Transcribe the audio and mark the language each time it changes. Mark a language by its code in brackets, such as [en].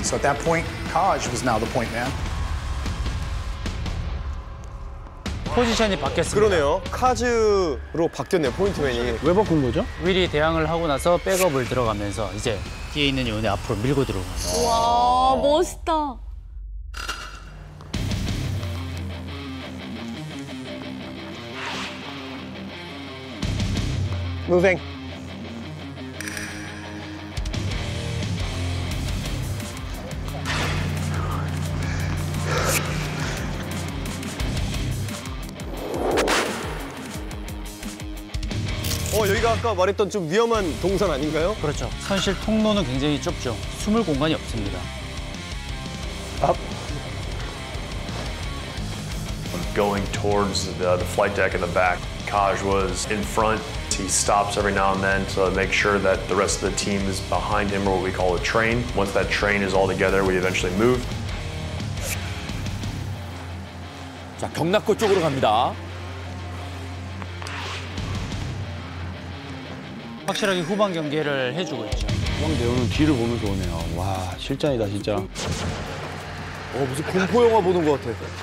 [en] So at that point, Kaj was now the point man. [ko] 포지션이 바뀌었습니다. 그러네요. 카즈로 바뀌었네요. 포인트맨이. 왜 바꾼 거죠? 윌이 대항을 하고 나서 백업을 들어가면서 이제 뒤에 있는 요원이 앞으로 밀고 들어오면서. 와, 멋있다. 무빙. 여기가 아까 말했던 좀 위험한 동선 아닌가요? 그렇죠. 현실 통로는 굉장히 좁죠. 숨을 공간이 없습니다. 앞. [en] I'm going towards the flight deck in the back. Kaj was in front. He stops every now and then to make sure that the rest of the team is behind him, or what we call a train. Once that train is all together, we eventually move. [ko] 자, 경낙고 쪽으로 갑니다. 확실하게 후반 경계를 해주고 있죠. 후방 대원은 뒤를 보면서 오네요. 와, 실전이다, 진짜. 어, 무슨 공포 영화 보는 것 같아.